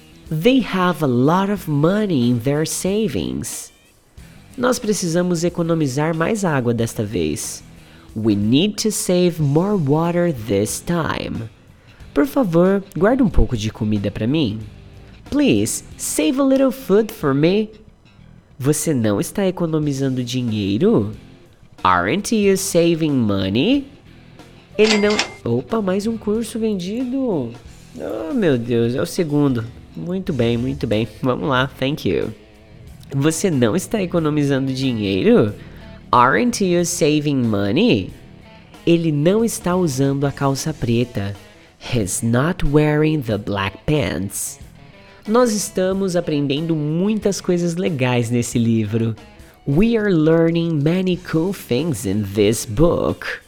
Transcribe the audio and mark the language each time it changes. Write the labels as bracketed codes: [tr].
[en] They have a lot of money in their savings. [pt] Nós precisamos economizar mais água desta vez. [en] We need to save more water this time. [pt] Por favor, guarde um pouco de comida para mim. [en] Please, save a little food for me. [pt] Você não está economizando dinheiro? [en] Aren't you saving money? [pt] Ele não... Opa, mais um curso vendido. Oh, meu Deus, é o segundo. Muito bem, muito bem. Vamos lá, [en] thank you. [pt] Você não está economizando dinheiro? [en] Aren't you saving money? [pt] Ele não está usando a calça preta. [en] He's not wearing the black pants. [pt] nós estamos aprendendo muitas coisas legais nesse livro. [en] We are learning many cool things in this book.